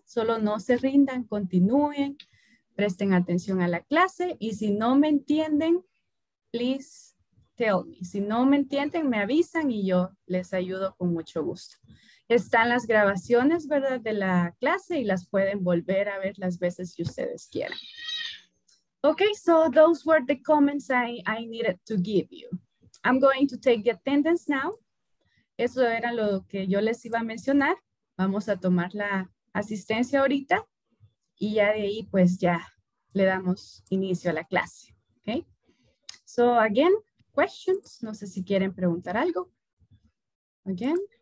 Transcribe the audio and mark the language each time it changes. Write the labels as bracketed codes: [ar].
[es] Solo no se rindan, continúen, presten atención a la clase y si no me entienden, [en] please tell me. [es] Si no me entienden, me avisan y yo les ayudo con mucho gusto. Están las grabaciones, ¿verdad?, de la clase y las pueden volver a ver las veces que ustedes quieran. [en] Okay, so those were the comments I needed to give you. I'm going to take the attendance now. [es] Eso era lo que yo les iba a mencionar. Vamos a tomar la asistencia ahorita y ya de ahí pues ya le damos inicio a la clase. Okay? [en] So again, questions. [es] No sé si quieren preguntar algo. Again.